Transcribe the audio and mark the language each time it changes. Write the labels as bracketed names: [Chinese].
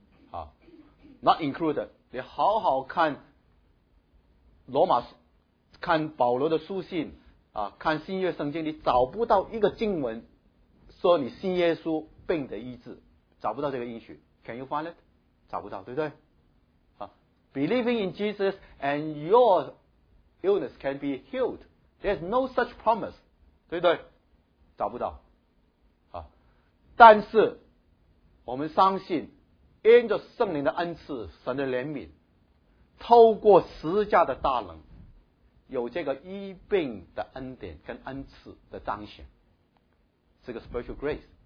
[Chinese] 好， [English] not included， [Chinese] 你好好看罗马，看保罗的书信啊，看新约圣经，你找不到一个经文说你信耶稣病得医治，找不到这个应许。 [English] Can you find it？ [Chinese] 找不到，对不对？ [English] 啊， believing in Jesus and your illness can be healed， there's no such promise， [Chinese] 对不对？找不到。啊，但是我们相信因着圣灵的恩赐，神的怜悯，透过十字架的大能，有这个医病的恩典跟恩赐的彰显，是个 [English] spiritual grace。